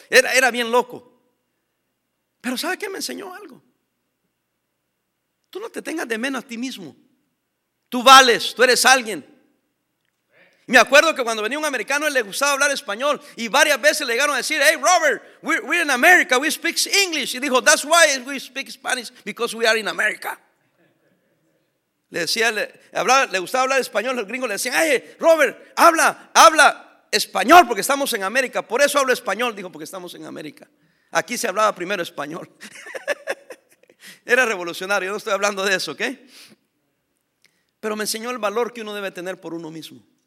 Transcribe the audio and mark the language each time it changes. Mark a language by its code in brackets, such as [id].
[es] Era bien loco. Pero ¿sabe qué? Me enseñó algo. Tú no te tengas de menos a ti mismo. Tú vales, tú eres alguien. Me acuerdo que cuando venía un americano, él le gustaba hablar español, y varias veces le llegaron a decir: [en] hey, Robert, we're in America, we speak English. [es] Y dijo: [en] that's why we speak Spanish, because we are in America. [es] Le gustaba hablar español, los gringos le decían: hey, Robert, habla español, porque estamos en América. Por eso hablo español, dijo, porque estamos en América. Aquí se hablaba primero español. era revolucionario, yo no estoy hablando de eso, ¿ok? Pero me enseñó el valor que uno debe tener por uno mismo.